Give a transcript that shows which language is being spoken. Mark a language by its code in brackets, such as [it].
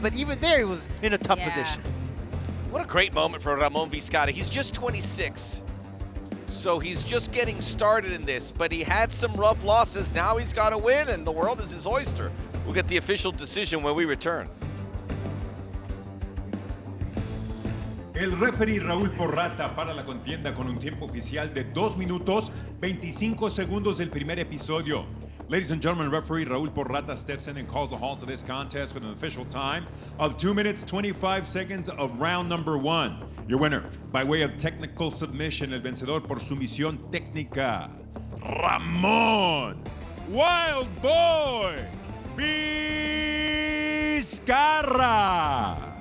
[en] But even there, he was in a tough position. What a great moment for Ramon Vizcarra. He's just 26. So he's just getting started in this, but he had some rough losses. Now he's got a win, and the world is his oyster. We'll get the official decision when we return. [es] El referee Raúl Porrata para la contienda con un tiempo oficial de 2:25 del primer episodio. [en] Ladies and gentlemen, referee Raúl Porrata steps in and calls a halt to this contest with an official time of 2:25 of round number one. Your winner, by way of technical submission, [es] el vencedor por sumisión técnica, [en] Ramón Wild Boy Vizcarra.